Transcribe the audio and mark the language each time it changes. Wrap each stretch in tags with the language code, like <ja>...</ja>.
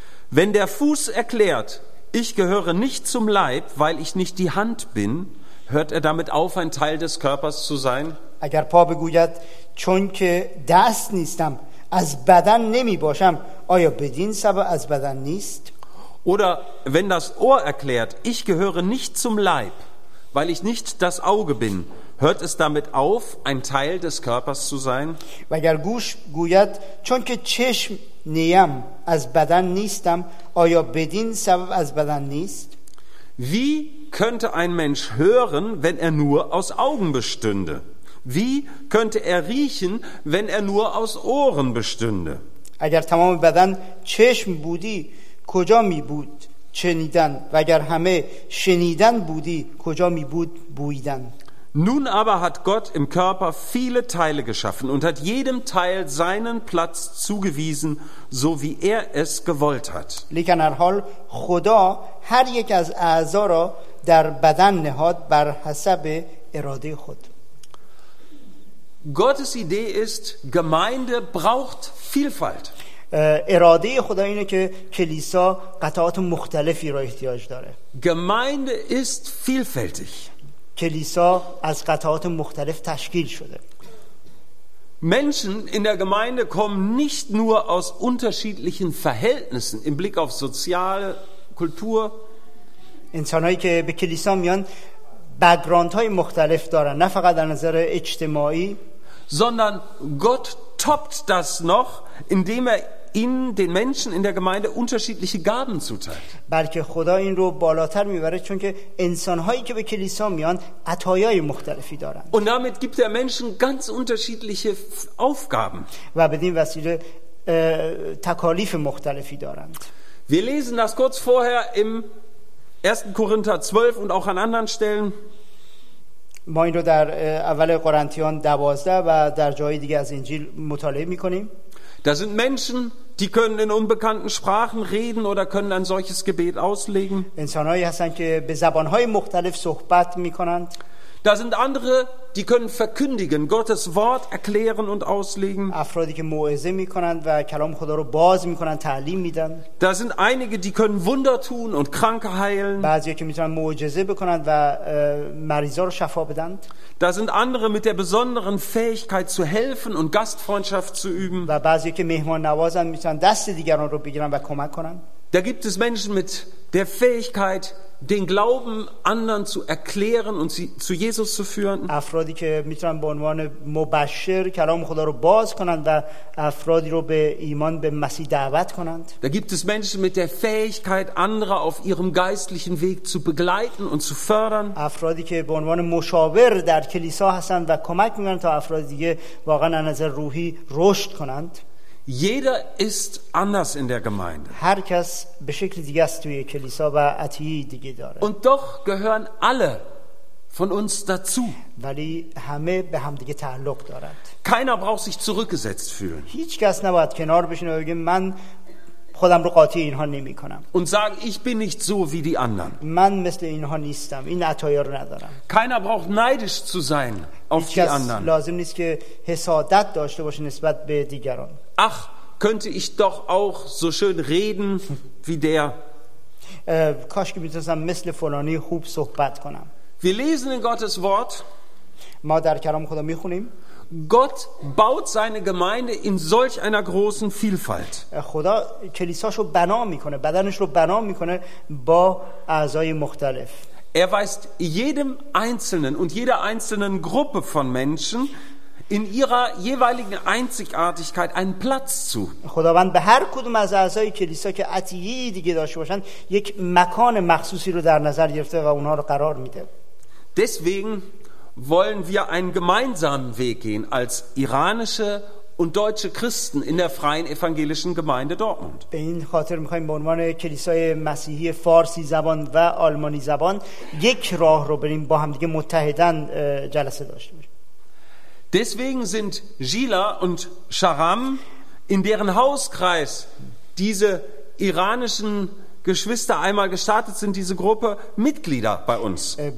<de>Wenn der Fuß erklärt, ich gehöre nicht zum Leib, weil ich nicht die Hand bin, hört er damit auf, ein Teil des Körpers zu sein?</de> <fa>اگر پا بگوید چون که دست نیستم از بدن نمی باشم آیا بدین سبب از بدن نیست؟</fa> <de>Oder wenn das Ohr erklärt, ich gehöre nicht zum Leib, weil ich nicht das Auge bin, hört es damit auf, ein Teil des Körpers zu sein?</de> <fa>و اگر گوش گوید چون که چشم نیم از بدن نیستم آیا بدین سبب از بدن نیست؟</fa> <de>Wie könnte ein Mensch hören, wenn er nur aus Augen bestünde? Wie könnte er riechen, wenn er nur aus Ohren bestünde?</de> <fa>اگر تمام بدن چشم بودی کجا می بود چنیدن و اگر همه شنیدن بودی کجا می بود بویدن.</fa> <de>Nun aber hat Gott im Körper viele Teile geschaffen und hat jedem Teil seinen Platz zugewiesen, so wie er es gewollt hat.</de> <fa>لیکن هر حال خدا هر یک از اعضا را در بدن نهاد بر حسب اراده خود.</fa> <de>Gottes Idee ist, Gemeinde braucht Vielfalt.</de> <fa>اراده خدا اینه که کلیسا قطعات مختلفی را احتیاج داره.</fa> <de>Gemeinde ist vielfältig.</de> <fa>کلیسا از قطعات مختلف تشکیل شده.</fa> <de>Menschen in der Gemeinde kommen nicht nur aus unterschiedlichen Verhältnissen im Blick auf soziale Kultur.</de> <fa>انسانایی که به کلیسا میان بک‌گراند‌های مختلف دارن نه فقط از نظر اجتماعی.</fa> <de>Sondern Gott toppt das noch, indem er ihnen, den Menschen in der Gemeinde, unterschiedliche Gaben zuteilt.</de> <fa>بلکه خدا این رو بالاتر میبره چون که انسانهایی که به کلیسا میان عطایای مختلفی دارن.</fa> <de>Und damit gibt er Menschen ganz unterschiedliche Aufgaben.</de> <fa>و بدین وسیله تکالیف مختلفی دارند.</fa> <de>Wir lesen das kurz vorher im 1. Korinther 12 und auch an anderen Stellen.</de> <fa>ما این رو در اول قرنتیان 12 و در جای دیگه از انجیل مطالعه می‌کنیم.</fa> <de>Da sind Menschen, die können in unbekannten Sprachen reden oder können ein solches Gebet auslegen.</de> <fa>انسان‌هایی هستن که به زبان‌های مختلف صحبت می‌کنند.</fa> <de>Da sind andere, die können verkündigen, Gottes Wort erklären und auslegen.</de> <fa>افرادی که موعظه می‌کنند و کلام خدا رو باز می‌کنند، تعلیم می‌دن.</fa> <de>Da sind einige, die können Wunder tun und Kranke heilen.</de> <fa>بعضی که می‌تونن معجزه بکنند و مریضا رو شفا بدن.</fa> <de>Da sind andere mit der besonderen Fähigkeit zu helfen und Gastfreundschaft zu üben.</de> <fa>و بعضی که مهمان نوازن می‌تونن دست دیگران رو بگیرن و کمک کنن.</fa> <de>Da gibt es Menschen mit der Fähigkeit, den Glauben anderen zu erklären und sie zu Jesus zu führen.</de> <fa>افرادی که میتونن به عنوان مبشر کلام خدا رو باز کنند و افرادی رو به ایمان به مسیح دعوت کنند.</fa> <de>Da gibt es Menschen mit der Fähigkeit, andere auf ihrem geistlichen Weg zu begleiten und zu fördern.</de> <fa>افرادی که به عنوان مشاور در کلیسا هستند و کمک میکنند تا افراد دیگه واقعا از نظر روحی رشد کنند.</fa> <de>Jeder ist anders in der Gemeinde.</de> <fa>هر کس به شکل دیگه است توی کلیسا و عطیه دیگه داره.</fa> <de>Und doch gehören alle von uns dazu.</de> <fa>ولی همه به هم دیگه تعلق دارند.</fa> <de>Keiner braucht sich zurückgesetzt fühlen.</de> <fa>هیچ کس نباید کنار بشینه و بگه من خودم رو قاطی اینها نمی کنم.</fa> <de>Und sagen, ich bin nicht so wie die anderen.</de> <fa>من مثل اینها نیستم. این عطایا رو ندارم.</fa> <de>Keiner braucht neidisch zu sein auf die anderen.</de> <fa>لازم نیست که حسادت داشته باشه نسبت به دیگران.</fa> <de>Ach, könnte ich doch auch so schön reden wie der.</de> <fa>کاش که میتونستم مثل فلانی خوب صحبت کنم.</fa> <de>Wir lesen in Gottes Wort.</de> <fa>ما در کلام خدا میخونیم.</fa> <de>Gott baut seine Gemeinde in solch einer großen Vielfalt.</de> <fa>خدا کلیساشو بنا میکنه، بدنش رو بنا میکنه با اعضای مختلف.</fa> <de>Er weist jedem Einzelnen und jeder einzelnen Gruppe von Menschen in ihrer jeweiligen Einzigartigkeit einen Platz zu.</de> <fa>خداوند به هر کدوم از اعضای کلیسا که عطیه دیگه داشته باشن یک مکان مخصوصی رو در نظر گرفته و اونها رو قرار میده.</fa> <de>Deswegen wollen wir einen gemeinsamen Weg gehen als iranische und deutsche Christen in der freien evangelischen Gemeinde Dortmund.</de> <fa>به این خاطر می‌خوایم به عنوان کلیسای مسیحی فارسی زبان و آلمانی زبان یک راه رو بریم با هم دیگه متحدن جلسه داشته باشیم.</fa> <de>Deswegen sind Gila und Sharam, in deren Hauskreis diese iranischen Geschwister einmal gestartet sind, diese Gruppe, Mitglieder bei uns.</de>